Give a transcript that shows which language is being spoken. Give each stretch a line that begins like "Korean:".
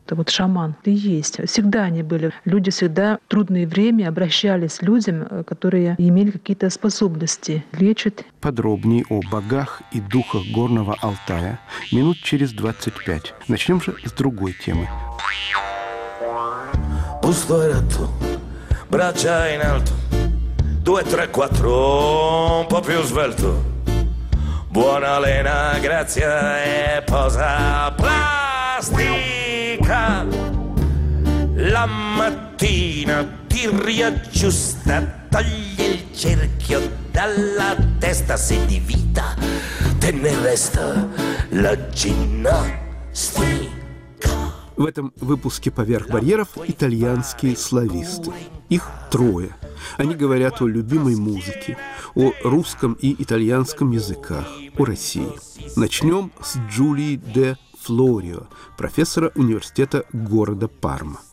Russian: Это вот шаман и есть. Всегда они были. Люди всегда в трудное время обращались к людям, которые имели какие-то способности лечить. Подробнее о богах и духах Горного Алтая минут через 25. Начнем же с другой темы.
Italian: Пустой рату, брача in alto, due, tre, quattro, un po' più svelto. Buona lena, grazia e posa plastica. La mattina ti riaggiusta, togli il cerchio dalla testa, se di vita te ne resta la ginnastica.
Russian: В этом выпуске «Поверх барьеров» итальянские словисты. Их трое. Они говорят о любимой музыке, о русском и итальянском языках, о России. Начнем с Джулии де Флорио, профессора университета города Парма.